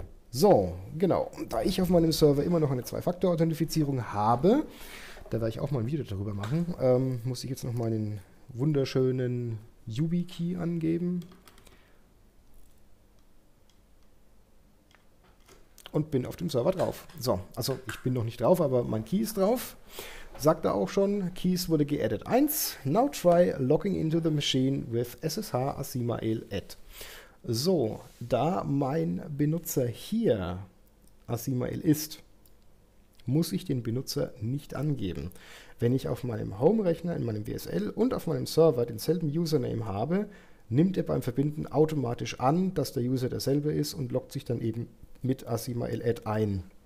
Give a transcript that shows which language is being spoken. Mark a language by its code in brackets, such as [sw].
[de] So, genau. Da ich auf meinem Server immer noch eine Zwei-Faktor-Authentifizierung habe, da werde ich auch mal ein Video darüber machen, muss ich jetzt noch meinen wunderschönen YubiKey angeben und bin auf dem Server drauf. So, also ich bin noch nicht drauf, aber mein Key ist drauf. Sagt er auch schon, Keys wurde geaddet 1. [en] Now try logging into the machine with SSH Asimael add. [de] So, da mein Benutzer hier Asimael ist, muss ich den Benutzer nicht angeben. Wenn ich auf meinem Home-Rechner, in meinem WSL und auf meinem Server denselben Username habe, nimmt er beim Verbinden automatisch an, dass der User derselbe ist und loggt sich dann eben mit Asimael-Add ein.